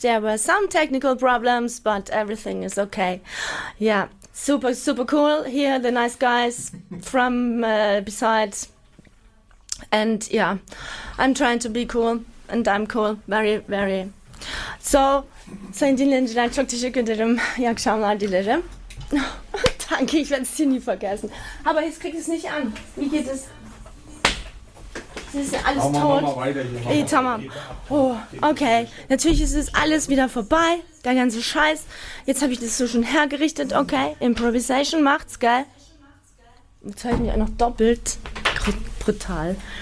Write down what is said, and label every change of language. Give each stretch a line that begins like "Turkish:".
English: There were some technical problems, but everything is okay. Ja, super, super cool. Here, the nice guys from beside. And yeah, I'm trying to be cool, and I'm cool. Very, very.
Turkish: Sen dinleyiciler, çok teşekkür ederim. İyi akşamlar dilerim.
German: Danke, ich werde es hier nie vergessen. Aber jetzt kriegt es nicht an. Wie geht es? Das ist ja alles tot. Oh, okay. Natürlich ist es alles wieder vorbei. Der ganze Scheiß. Jetzt habe ich das so schon hergerichtet. Okay. Improvisation macht's, gell? Jetzt höre ich mich auch noch doppelt. Brutal.